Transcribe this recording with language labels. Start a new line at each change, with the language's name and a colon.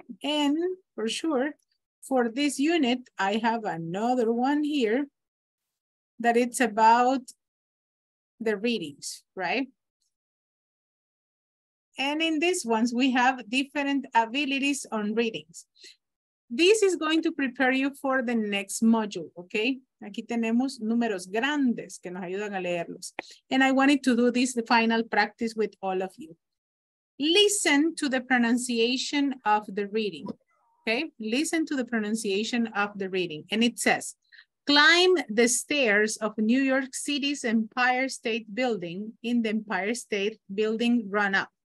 English: And for sure, for this unit, I have another one here that it's about the readings, right? And in these ones, we have different abilities on readings. This is going to prepare you for the next module, okay?
Spanish: Aquí tenemos números grandes que nos ayudan a leerlos.
English: And I wanted to do this, the final practice with all of you. Listen to the pronunciation of the reading, okay? Listen to the pronunciation of the reading. And it says, climb the stairs of New York City's Empire State Building in the Empire State Building run up.